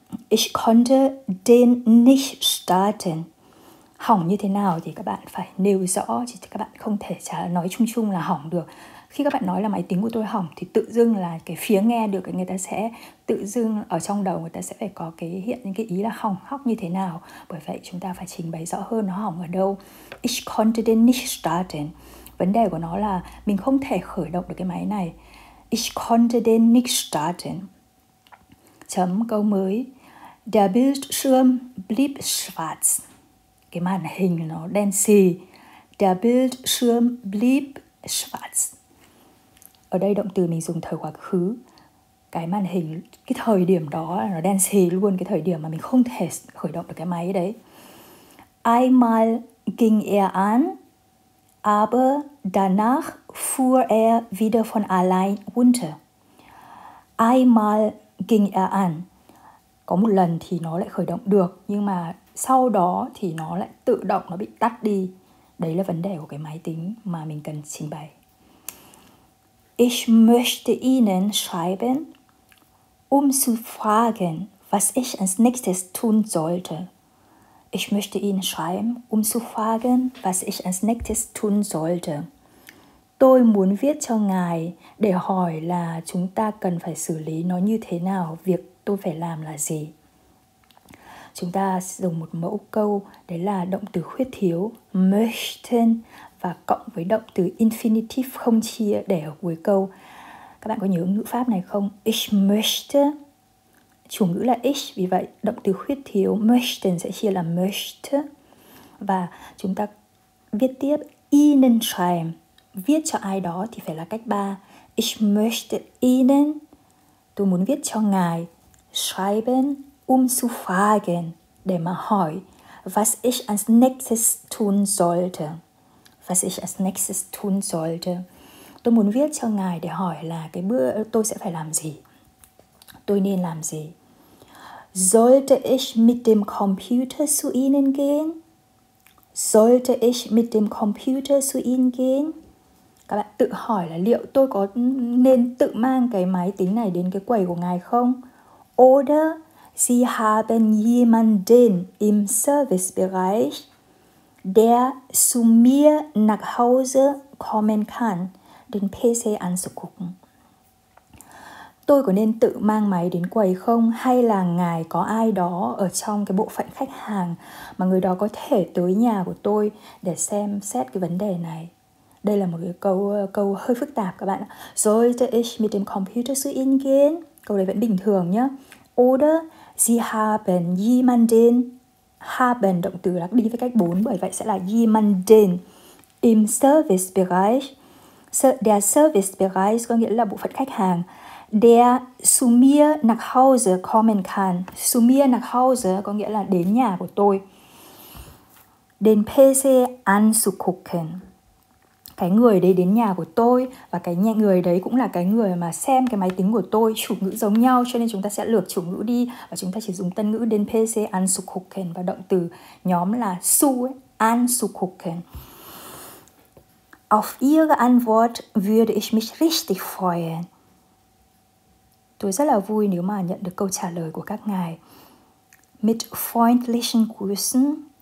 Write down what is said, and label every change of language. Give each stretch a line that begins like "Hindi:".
German: Ich konnte den nicht starten.
Vietnamese: Hỏng như thế nào thì các bạn phải nêu rõ, chứ các bạn không thể nói chung chung là hỏng được. Khi các bạn nói là máy tính của tôi hỏng thì tự dưng là cái phía nghe được, người ta sẽ tự dưng ở trong đầu người ta sẽ phải có cái hiện những cái ý là hỏng hóc như thế nào. Bởi vậy chúng ta phải trình bày rõ hơn nó hỏng ở đâu.
German: Ich konnte den nicht starten.
Vietnamese: Vấn đề của nó là mình không thể khởi động được cái máy này.
German: Ich konnte den nicht starten.
Vietnamese: Chấm câu mới.
German: Der Bildschirm blieb schwarz.
Vietnamese: Cái màn hình nó đen xì.
German: Der Bildschirm blieb schwarz.
Vietnamese: Ở đây động từ mình dùng thời quá khứ. Cái màn hình, cái thời điểm đó nó đen xì luôn, cái thời điểm mà mình không thể khởi động được cái máy đấy.
German: Einmal ging an, aber danach fuhr wieder von allein runter. Einmal ging an.
Vietnamese: Có một lần thì nó lại khởi động được, nhưng mà sau đó thì nó lại tự động nó bị tắt đi. Đấy là vấn đề của cái máy tính mà mình cần trình bày.
German: Ich möchte Ihnen schreiben, zu fragen, was ich als nächstes tun sollte. Ich möchte Ihnen schreiben, zu fragen, was ich als nächstes tun sollte.
Vietnamese: Tôi muốn viết cho ngài để hỏi là chúng ta cần phải xử lý nó như thế nào, việc tôi phải làm là gì. Chúng ta dùng một mẫu câu, đấy là động từ khuyết thiếu, möchten, và cộng với động từ infinitive không chia để ở cuối câu. Các bạn có nhớ ngữ pháp này không?
German: Ich möchte.
Vietnamese: Chủ ngữ là ich, vì vậy động từ khuyết thiếu möchten sẽ chia là möchte. Và chúng ta viết tiếp
German: Ihnen schreiben.
Vietnamese: Viết cho ai đó thì phải là cách 3.
German: Ich möchte Ihnen.
Vietnamese: Tôi muốn viết cho ngài.
German: Schreiben zu fragen.
Vietnamese: Để mà hỏi.
German: Was ich als nächstes tun sollte. Was ich als nächstes tun sollte.
Vietnamese: Tôi muốn viết cho ngài để hỏi là cái bữa tôi sẽ phải làm gì. Tôi nên làm gì.
German: Sollte ich mit dem Computer zu Ihnen gehen? Sollte ich mit dem Computer zu Ihnen gehen?
Vietnamese: Các bạn tự hỏi là liệu tôi có nên tự mang cái máy tính này đến cái quầy của ngài không?
German: Oder Sie haben jemanden im Servicebereich, der zu mir nach Hause kommen kann, den PC anzugucken.
Vietnamese: Tôi có nên tự mang máy đến quầy không? Hay là ngài có ai đó ở trong cái bộ phận khách hàng mà người đó có thể tới nhà của tôi để xem xét cái vấn đề này? Đây là một cái câu hơi phức tạp các bạn ạ.
German: Sollte ich mit dem Computer zu Ihnen gehen?
Vietnamese: Câu này vẫn bình thường nhé.
German: Oder Sie haben jemanden.
Vietnamese: Haben động từ là đi với cách 4, bởi vậy sẽ là jemanden.
German: Im Servicebereich.
Vietnamese: Der Servicebereich có nghĩa là bộ phận khách hàng.
German: Der zu mir nach Hause kommen kann. Zu mir nach Hause
Vietnamese: có nghĩa là đến nhà của tôi.
German: Den PC anzugucken.
Vietnamese: Cái người đấy đến nhà của tôi và cái người đấy cũng là cái người mà xem cái máy tính của tôi. Chủ ngữ giống nhau cho nên chúng ta sẽ lược chủ ngữ đi và chúng ta chỉ dùng tân ngữ đến PC anzugucken và động từ nhóm là su anzugucken.
German: Auf Ihre Antwort würde ich mich richtig freuen.
Vietnamese: Tôi rất là vui nếu mà nhận được câu trả lời của các ngài.
German: Mit freundlichen Grüßen.